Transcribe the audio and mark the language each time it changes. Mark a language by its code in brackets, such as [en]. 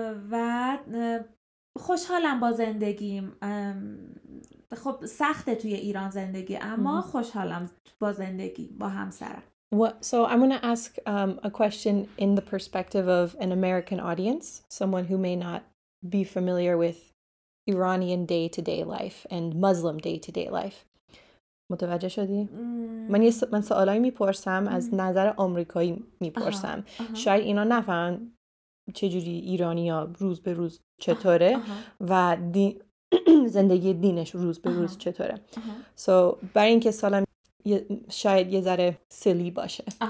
[fa] و خوشحالم با زندگیم. خب سخته توی ایران زندگی، اما خوشحالم با زندگی با همسرم. [en] So I'm going to ask a question in the perspective of an American audience, someone who may not be familiar with Iranian day-to-day life and Muslim day-to-day life. [fa] متوجه شدی؟ من یه من سوالایی میپرسم از نظر آمریکایی میپرسم. شاید اینا نفهمن چه جوری ایرانی ها روز به روز چطوره و زندگی دینش روز به روز چطوره. سو برای این که سوالم شاید یه ذره سیلی باشه.